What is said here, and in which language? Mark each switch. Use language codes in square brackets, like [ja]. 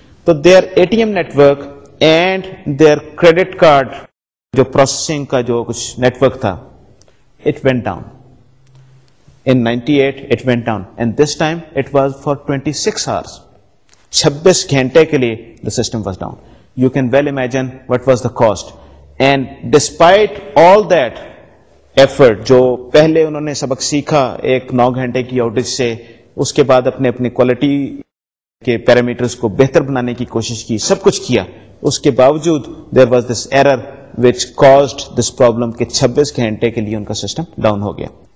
[en] تو their A T M network and their credit card [ur] جو processing کا جو کچھ نیٹ ورک تھا [en] it went down in 98 it went down and this time it was for 26 hours [ur] 26 گھنٹے کے لیے [en] The system was down. You can well imagine what was the cost. And despite all that effort [ur] جو پہلے انہوں نے سبق سیکھا ایک 9 گھنٹے کی آؤٹیج سے, اس کے بعد اپنی کوالٹی کے پیرامیٹرس کو بہتر بنانے کی کوشش کی, سب کچھ کیا, اس کے باوجود [en] there was this error which caused this problem [ur] کہ 26 گھنٹے کے لیے ان کا سسٹم ڈاؤن ہو گیا.